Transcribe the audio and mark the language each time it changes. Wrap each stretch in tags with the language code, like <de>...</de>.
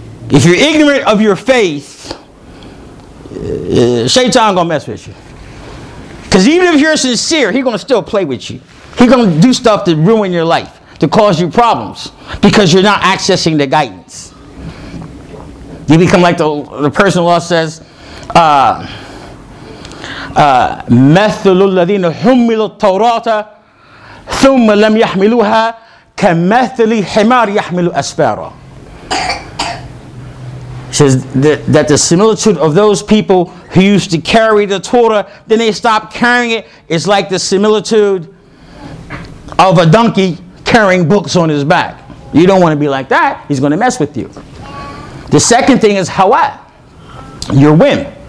<en>If you're ignorant of your faith, shaitan gonna mess with you. Because even if you're sincere, he's gonna still play with you. He's gonna do stuff to ruin your life, to cause you problems, because you're not accessing the guidance. You become like the person Allah says,</en> <ar>مثل الذين حملوا التوراة ثم لم يحملوها كمثل حمار يحمل أسفارا.</ar> <en>Says that the similitude of those people who used to carry the Torah, then they stopped carrying it, is like the similitude of a donkey carrying books on his back. You don't want to be like that. He's going to mess with you. The second thing is hawa, your whim.</en>